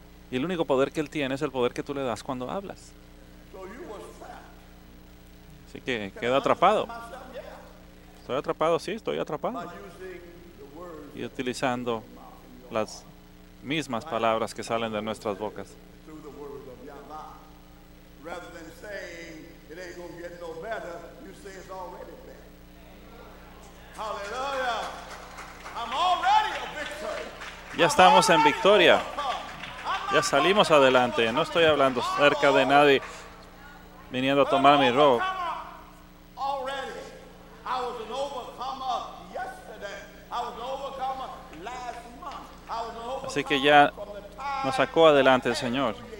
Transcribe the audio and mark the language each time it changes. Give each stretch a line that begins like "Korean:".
Spanish: Y el único poder que él tiene es el poder que tú le das cuando hablas. Así que queda atrapado. Estoy atrapado, sí, estoy atrapado. Y utilizando las mismas palabras que salen de nuestras bocas.
English: Rather than saying it ain't gonna get no better, you say it's already better. Hallelujah! I'm already a victor.
Spanish: Ya estamos en victoria. Ya salimos adelante. No estoy hablando cerca de nadie viniendo a tomar mi rol.
English: Already, I was an overcomer yesterday. I was an overcomer last month. I was an overcomer.
Spanish: Así que ya nos sacó adelante el Señor.